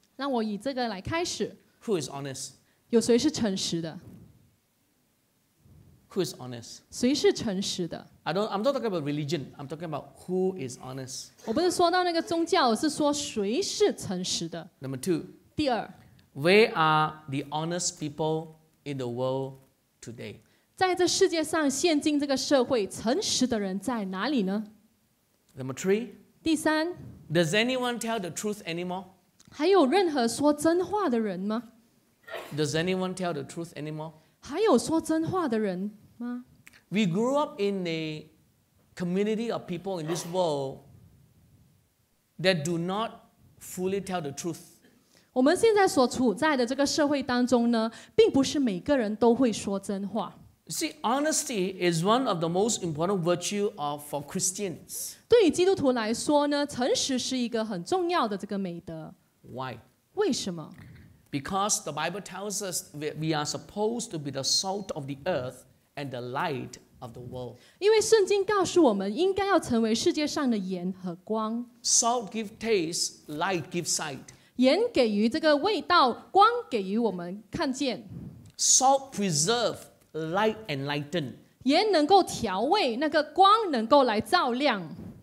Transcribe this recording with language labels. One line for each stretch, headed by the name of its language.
Chinese: 让我以这个来开始。
English: Who is honest?
Chinese: 有谁是诚实的？
English: Who is honest?
Chinese: 谁是诚实的
English: I'm not talking about religion. I'm talking about who is honest.
Chinese: 我不是说到那个宗教，我是说谁是诚实的
English: Number two.
Chinese: 第二
English: Where are the honest people in the world today?
Chinese: 在这世界上，现今这个社会，诚实的人在哪里呢
English: Number three.
Chinese: 第三
English: Does anyone tell the truth anymore?
Chinese: 还有任何说真话的人吗
English: Does anyone tell the truth anymore?
Chinese: 还有说真话的人吗
English: ？We grew up in a community of people in this world that do not fully tell the truth.
Chinese: 我们现在所处在的这个社会当中呢，并不是每个人都会说真话。
English: See, honesty is one of the most important virtues of for Christians.
Chinese: 对于基督徒来说呢，诚实是一个很重要的这个美德。
English: Why?
Chinese: 为什么？
English: Because the Bible tells us we are supposed to be the salt of the earth and the light of the world.
Chinese: 因为圣经告诉我们应该要成为世界上的盐和光。
English: Salt gives taste, light gives sight.
Chinese: 盐给予这个味道，光给予我们看见。
English: Salt preserves, light enlightens.
Chinese: 盐能够调味，那个光能够来照亮。